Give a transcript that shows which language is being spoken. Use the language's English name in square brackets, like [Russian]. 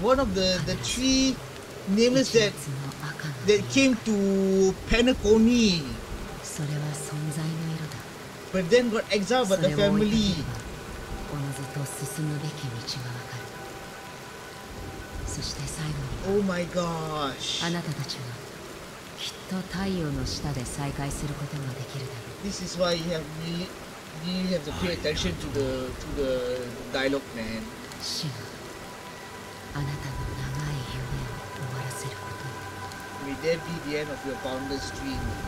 [English] Tiernan, one of the three nameless that came to Panacone。 [Japanese] それは存在の色だ。 [English] But then got exiled by the family。 [Japanese] それを追いかければ、自ずと進むべき道がわかる。そして最後に、 [English] Oh my gosh! [Japanese] あなたたちはきっと太陽の下で再会することができるだろう。 [English] This is why you have really have to pay attention to the dialogue, man. [Japanese] 死が、あなたの長い夢を終わらせること。 [English] Will that be the end of your boundless dream?